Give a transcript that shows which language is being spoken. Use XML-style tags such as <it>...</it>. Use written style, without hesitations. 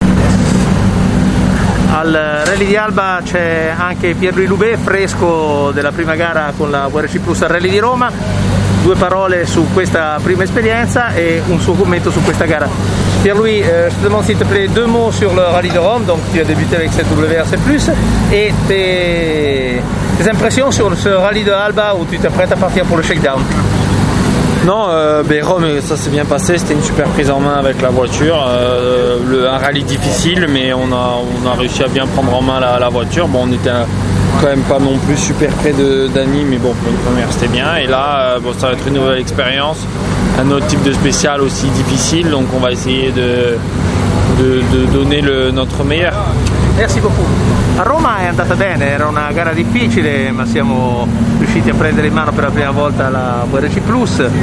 <it>Al Rally di Alba c'è anche Pierluigi Loubet, fresco della prima gara con la WRC Plus al Rally di Roma. Due parole su questa prima esperienza e un suo commento su questa gara.</it> <fr>Pierluigi, je te demande s'il te plaît deux mots sur le Rally de Rome, donc tu as débuté avec cette WRC Plus, et tes impressions sur ce Rally de Alba où tu te prêtes à partir pour le shakedown. Non, Rome, ça s'est bien passé, c'était une super prise en main avec la voiture, un rallye difficile, mais on a réussi à bien prendre en main la voiture. Bon, on était quand même pas non plus super près de Dani, mais bon, pour une première c'était bien, et là bon, ça va être une nouvelle expérience, un autre type de spécial aussi difficile, donc on va essayer de donner notre meilleur. Merci beaucoup.</fr> <it>A Roma è andata bene, era una gara difficile, ma siamo riusciti a prendere in mano per la prima volta la WRC Plus.</it>